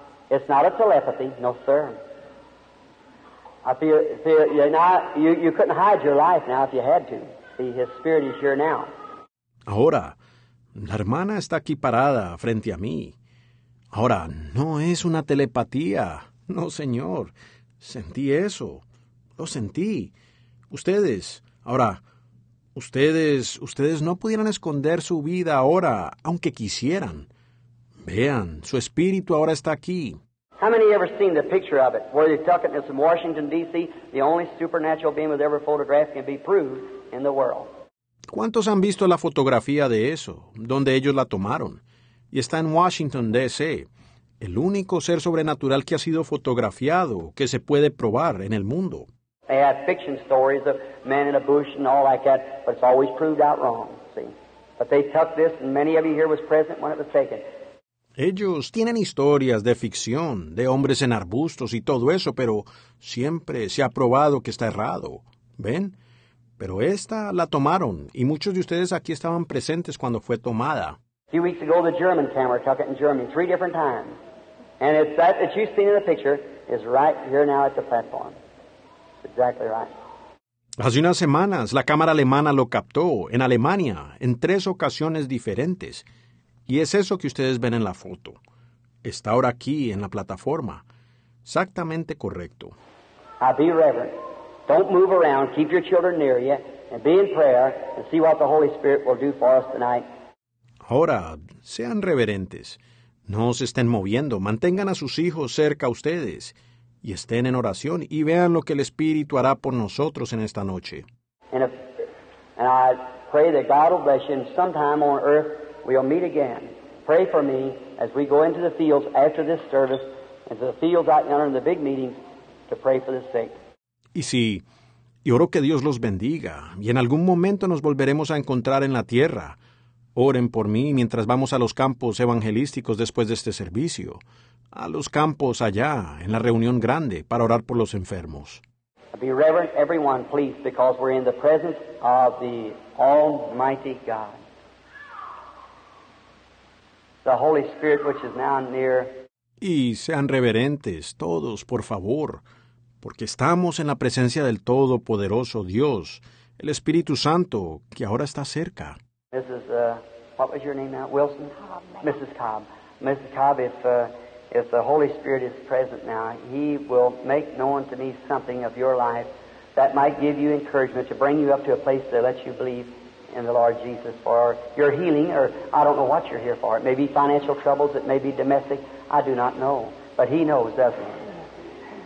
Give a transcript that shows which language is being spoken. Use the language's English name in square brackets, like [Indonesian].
[English] It's not a telepathy, no sir. You couldn't hide your life now if you had to. See, his spirit is here now. [Spanish] Ahora, la hermana está aquí parada frente a mí. Ahora, no es una telepatía. No, señor. Sentí eso. Lo sentí. Ustedes, ahora, ustedes no pudieran esconder su vida ahora, aunque quisieran. Vean, su espíritu ahora está aquí. [English] How many ever seen the picture of it? Where they took it, it's in Washington, D.C., the only supernatural being with ever photographed can be proved in the world. [Spanish] ¿Cuántos han visto la fotografía de eso, donde ellos la tomaron? Y está en Washington, D.C., el único ser sobrenatural que ha sido fotografiado, que se puede probar en el mundo. [English] They had fiction stories of men in a bush and all like that, but it's always proved out wrong, see. But they took this, and many of you here was present when it was taken. [Spanish] Ellos tienen historias de ficción, de hombres en arbustos y todo eso, pero siempre se ha probado que está errado. ¿Ven? Pero esta la tomaron, y muchos de ustedes aquí estaban presentes cuando fue tomada. [English] A few weeks ago, the German camera took it in Germany three different times. And it's that you've seen in the picture is right here now at the platform. Exactly right. [Spanish] Hace unas semanas, la cámara alemana lo captó en Alemania en tres ocasiones diferentes. Y es eso que ustedes ven en la foto. Está ahora aquí, en la plataforma. Exactamente correcto. [English] Now be reverent. Don't move around. Keep your children near you. And be in prayer and see what the Holy Spirit will do for us tonight. [Spanish] Ahora, sean reverentes. No se estén moviendo. Mantengan a sus hijos cerca a ustedes. Y estén en oración y vean lo que el Espíritu hará por nosotros en esta noche. [English] And I pray that God will bless you and sometime on earth. We'll meet again. Pray for me as we go into the fields after this service, into the fields out yonder in the big meetings, to pray for the sick. [Spanish] Y si Y oro que Dios los bendiga. Y en algún momento nos volveremos a encontrar en la tierra. Oren por mí mientras vamos a los campos evangelísticos después de este servicio. A los campos allá, en la reunión grande, para orar por los enfermos. [English] Be reverent, everyone, please, because we're in the presence of the Almighty God. The Holy Spirit, which is now near. [Spanish] Y sean reverentes, todos, por favor, porque estamos en la presencia del Todopoderoso Dios, el Espíritu Santo, que ahora está cerca. [English] Mrs. What was your name now? Wilson? Cobb, Mrs. Cobb. Mrs. Cobb, if the Holy Spirit is present now, He will make known to me something of your life that might give you encouragement to bring you up to a place that lets you believe in the Lord Jesus for your healing, or I don't know what you're here for. It may be financial troubles, it may be domestic, I do not know, but He knows, doesn't He?